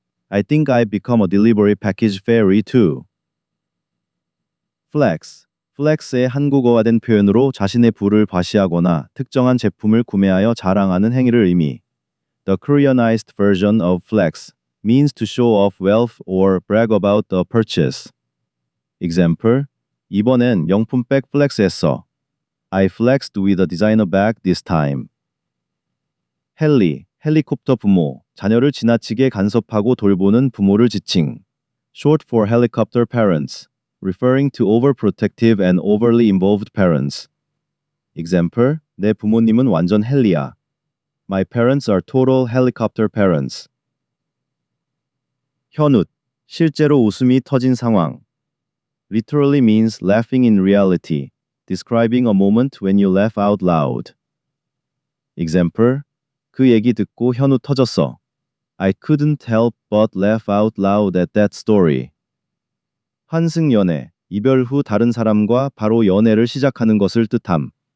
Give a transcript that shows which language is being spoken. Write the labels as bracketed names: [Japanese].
[English] I think I've become a delivery package fairy too. Flex. [Korean] Flex의 한국어화 된 표현으로 자신의 부를 과시하거나 특정한 제품을 구매하여 자랑하는 행위를 의미. [English] The Koreanized version of flex means to show off wealth or brag about the purchase. [Korean] Example, 이번엔 명품백 플렉스했어. [English] I flexed with a designer bag this time. [Korean] 헬리, 헬리콥터 부모, 자녀를 지나치게 간섭하고 돌보는 부모를 지칭. [English] Short for helicopter parents, referring to overprotective and overly involved parents. Example, [Korean] 내 부모님은 완전 헬리야. [English] My parents are total helicopter parents. [Korean] 현웃, 실제로 웃음이 터진 상황. [English] Literally means laughing in reality, describing a moment when you laugh out loud. [Korean] Example, 그 얘기 듣고 현우 터졌어. [English] I couldn't help but laugh out loud at that story. [Korean] 환승연애, 이별 후 다른 사람과 바로 연애를 시작하는 것을 뜻함.